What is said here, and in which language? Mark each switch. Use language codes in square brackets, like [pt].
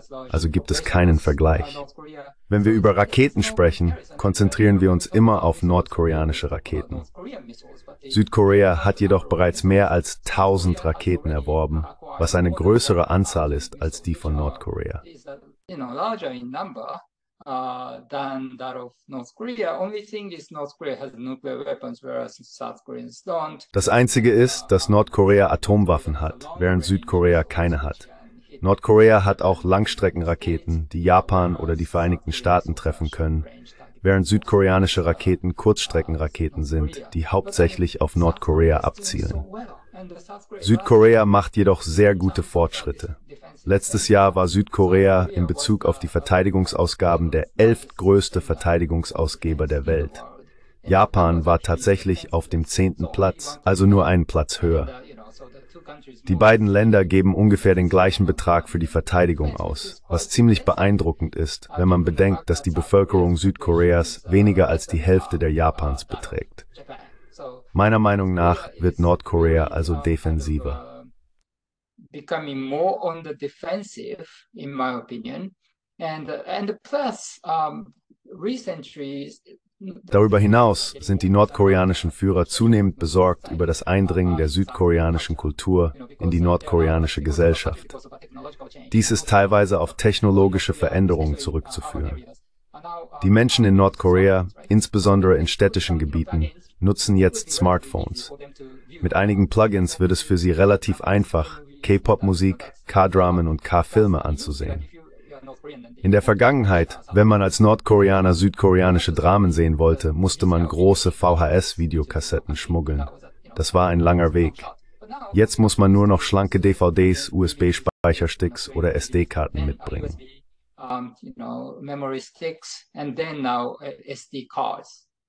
[de] Also gibt es keinen Vergleich. Wenn wir über Raketen sprechen, konzentrieren wir uns immer auf nordkoreanische Raketen. Südkorea hat jedoch bereits mehr als 1000 Raketen erworben, was eine größere Anzahl ist als die von Nordkorea. [en] Than that of North Korea. Only thing is North Korea has nuclear weapons, whereas South Koreans don't. [de] Das Einzige ist, dass Nordkorea Atomwaffen hat, während Südkorea keine hat. Nordkorea hat auch Langstreckenraketen, die Japan oder die Vereinigten Staaten treffen können, während südkoreanische Raketen Kurzstreckenraketen sind, die hauptsächlich auf Nordkorea abzielen. Südkorea macht jedoch sehr gute Fortschritte. Letztes Jahr war Südkorea in Bezug auf die Verteidigungsausgaben der 11. größte Verteidigungsausgeber der Welt. Japan war tatsächlich auf dem 10. Platz, also nur einen Platz höher. Die beiden Länder geben ungefähr den gleichen Betrag für die Verteidigung aus, was ziemlich beeindruckend ist, wenn man bedenkt, dass die Bevölkerung Südkoreas weniger als die Hälfte der Japans beträgt. Meiner Meinung nach wird Nordkorea also defensiver. [en] Becoming more on the defensive, in my opinion, and plus recently. [de] Darüber hinaus sind die nordkoreanischen Führer zunehmend besorgt über das Eindringen der südkoreanischen Kultur in die nordkoreanische Gesellschaft. Dies ist teilweise auf technologische Veränderungen zurückzuführen. Die Menschen in Nordkorea, insbesondere in städtischen Gebieten, nutzen jetzt Smartphones. Mit einigen Plugins wird es für sie relativ einfach, K-Pop-Musik, K-Dramen und K-Filme anzusehen. In der Vergangenheit, wenn man als Nordkoreaner südkoreanische Dramen sehen wollte, musste man große VHS-Videokassetten schmuggeln. Das war ein langer Weg. Jetzt muss man nur noch schlanke DVDs, USB-Speichersticks oder SD-Karten mitbringen. [en] Memory sticks and then now SD cards.